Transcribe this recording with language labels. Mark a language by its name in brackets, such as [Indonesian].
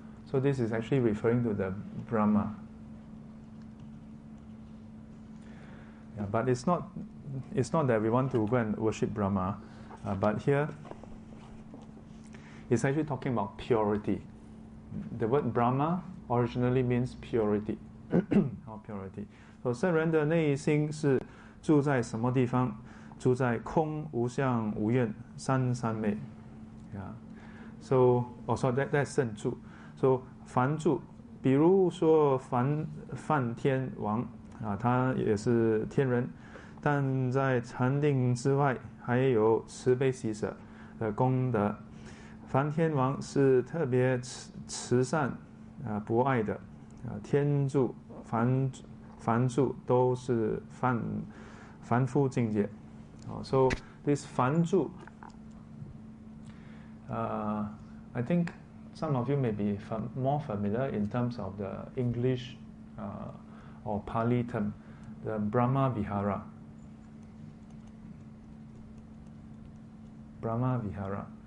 [English] So this is actually referring to the Brahma. Yeah, but it's not that we want to go and worship Brahma, but here it's actually talking about purity. The word Brahma originally means purity. How purity. [Chinese] So 圣人的内心是住在什么地方? 住在空无相无愿三三昧. [English] That's [Chinese] 圣住. So 凡住, 比如说梵天王, 他也是天人, 但在禅定之外, 还有慈悲喜舍, 的功德, 梵天王是特别慈善, 博爱的, 天住, 凡住, 都是凡夫境界. [English] So this 凡住, I think some of you may be more familiar in terms of the English or Pali term, the Brahma Vihara.